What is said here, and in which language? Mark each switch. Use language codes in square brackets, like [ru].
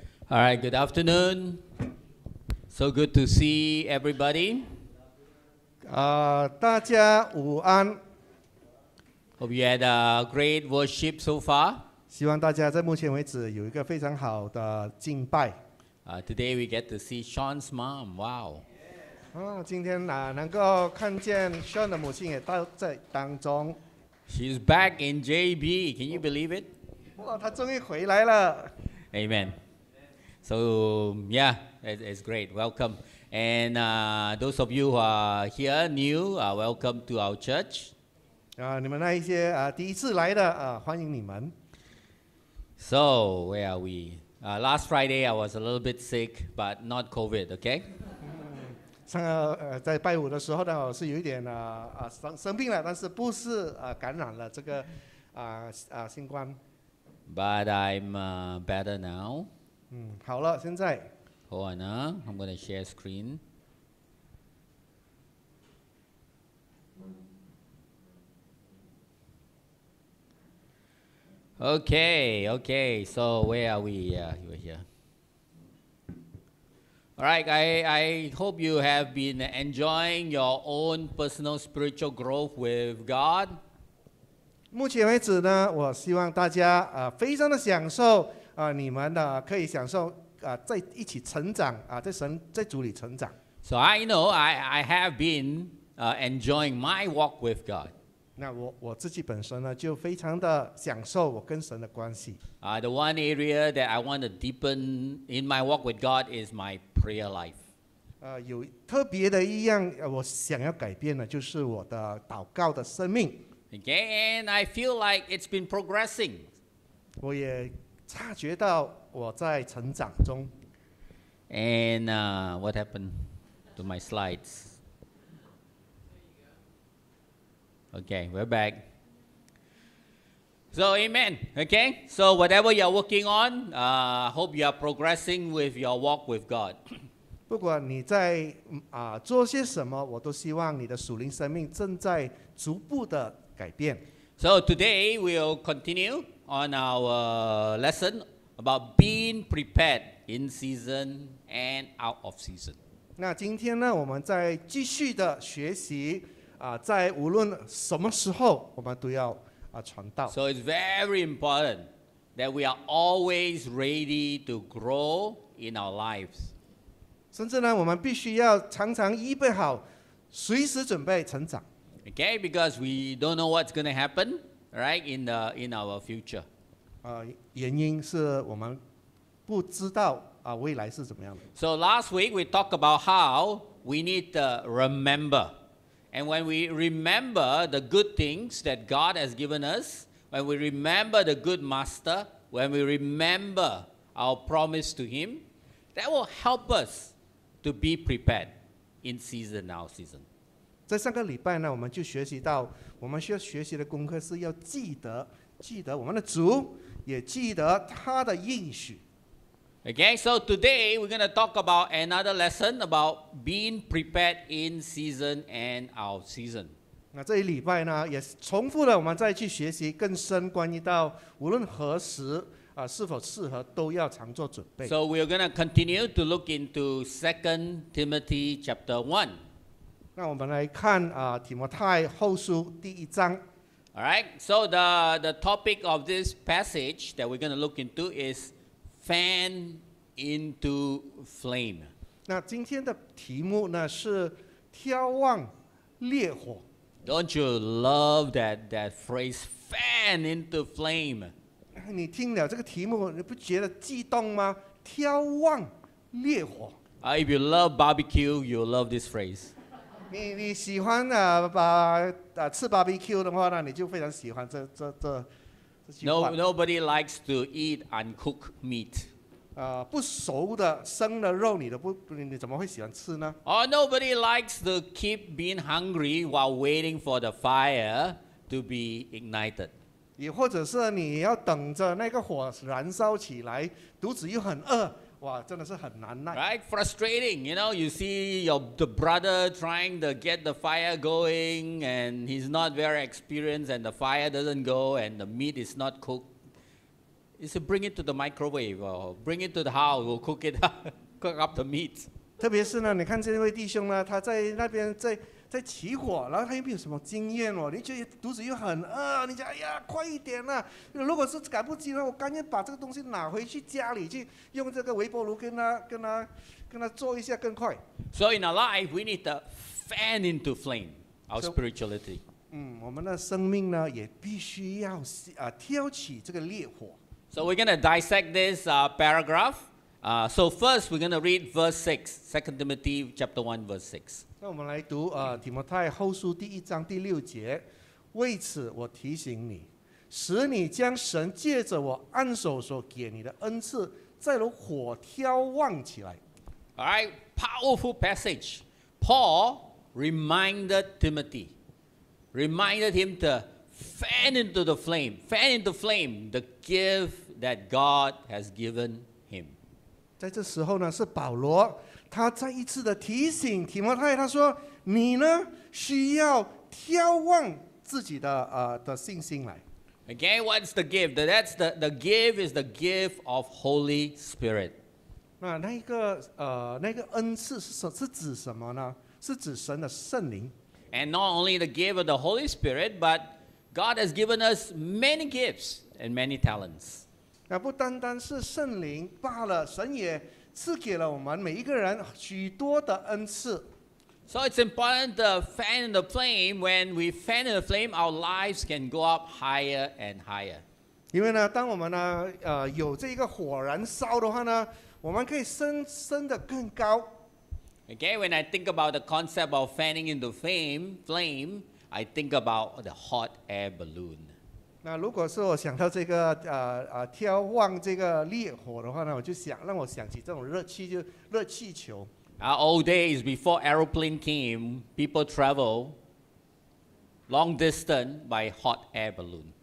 [en] All right, good afternoon. So good to see everybody. [zh] 大家午安。 [en] Hope you had a great worship so far. [zh] 希望大家在目前为止有一个非常好的敬拜。 [en] Today we get to see Sean's mom. Wow. [zh] 今天能够看见 Sean 的母亲也在当中。 [en] She's back in JB. Can you believe it? [zh] 她终于回来了。 [en] Amen. So yeah, it's great. Welcome. And those of you who are here new, welcome to our church. [zh] 你们那一些第一次来的欢迎你们。 [en] So where are we? Last Friday I was a little bit sick, but not COVID, okay? [zh] 上在拜五的时候呢，我是有一点生病了，但是不是感染了这个新冠。 [en] But I'm better now. [zh] 好了，现在。 [en] Hold on, I'm going to share screen. Okay, so where are we? Yeah, you are here. Alright, I hope you have been enjoying your own personal spiritual growth with God. [zh] 目前为止呢，我希望大家非常的享受你们的可以享受在一起成长在神在主里成长。 [en] So I know I have been enjoying my walk with God. [zh] 那我自己本身呢就非常的享受我跟神的关系。 [en] The one area that I want to deepen in my walk with God is my prayer life. [zh] 有特别的一样我想要改变的就是我的祷告的生命。 [en] Okay, and I feel like it's been progressing. [zh] 我也察觉到我在成长中。 [en] And what happened to my slides? Okay, we're back. So, amen. Okay, so whatever you're working on, hope you're progressing with your walk with God. [zh] 不管你在做些什么，我都希望你的属灵生命正在逐步的改变。 [en] So today we'll continue on our lesson about being prepared in season and out of season. [zh] 那今天呢，我们再继续的学习在无论什么时候，我们都要传道。 [en] So it's very important that we are always ready to grow in our lives. [zh] 甚至呢，我们必须要常常预备好，随时准备成长。 [en] Okay, because we don't know what's going to happen, right, in our future. [zh] 原因是我们不知道未来是怎么样的。 [en] So last week we talked about how we need to remember, and when we remember the good things that God has given us, when we remember the good Master, when we remember our promise to Him, that will help us. To be prepared in season, our season. [zh] 在上个礼拜呢，我们就学习到，我们需要学习的功课是要记得我们的主，也记得他的应许。 [en] Okay, so today we're going to talk about another lesson about being prepared in season and our season. [zh] 那这一礼拜呢，也重复了我们再去学习更深关于到无论何时。是否适合都要常做准备。 [en] So we're going to continue to look into 2 Timothy chapter 1. [zh] 那我们来看提摩太后书第一章。 [en] All right. So the topic of this passage that we're going to look into is fan into flame. [zh] 那今天的题目呢是眺望烈火。 [en] Don't you love that phrase fan into flame? [zh] 你听了这个题目，你不觉得激动吗？眺望烈火。 [en] If you love barbecue, you love this phrase. [zh] 你喜欢吃 barbecue 的话呢，你就非常喜欢这句话。 [en] Nobody likes to eat uncooked meat. [zh] 不熟的生的肉你怎么会喜欢吃呢？ [en] Nobody likes to keep being hungry while waiting for the fire to be ignited. [zh] 也或者是你要等着那个火燃烧起来，肚子又很饿，哇，真的是很难耐。 [en] Right, frustrating. You know, you see the brother trying to get the fire going, and he's not very experienced, and the fire doesn't go, and the meat is not cooked. You say, bring it to the microwave, or bring it to the house, we'll cook it, cook up the meat. [zh] 特别是呢，你看这位弟兄呢，他在那边在起火，然后他又没有什么经验哦，你觉得肚子又很饿，你讲哎呀，快一点呐、啊！如果是赶不及的话，我赶紧把这个东西拿回去家里去，用这个微波炉跟他做一下更快。 [en] So in our life, we need to fan into flame our spirituality. [zh] 我们的生命呢也必须要挑起这个烈火。 [en] So we're gonna dissect this paragraph. So first we're gonna read verse 6, 2 Timothy chapter 1, verse 6. [zh] 那我们来读提摩太后书第一章第六节，为此我提醒你，使你将神借着我按手所给你的恩赐，再如火眺望起来。 [en] All right, powerful passage. Paul reminded Timothy, reminded him to fan into flame the gift that God has given him. [zh] 在这时候呢，是保罗。他再一次的提醒提摩太，他说：“你呢，需要眺望自己的信心来。” [en] Again, what's the gift? That's the gift is the gift of Holy Spirit. [zh] 那个恩赐是指什么呢？是指神的圣灵。 [en] And not only the gift of the Holy Spirit, but God has given us many gifts and many talents. [zh] 那不单单是圣灵罢了，神也。赐给了我们每一个人许多的恩赐。 [en] So it's important to fan the flame. When we fan the flame, our lives can go up higher and higher. [zh] 因为呢，当我们呢，有这个火燃烧的话呢，我们可以升得更高。 [en] Okay, when I think about the concept of fanning into flame, I think about the hot air balloon. [zh] 那如果是我想到这个眺望这个烈火的话呢，我就想让我想起这种热气，就热气球。 [en] Our old days before aeroplane came, people travel long distance by hot air balloon.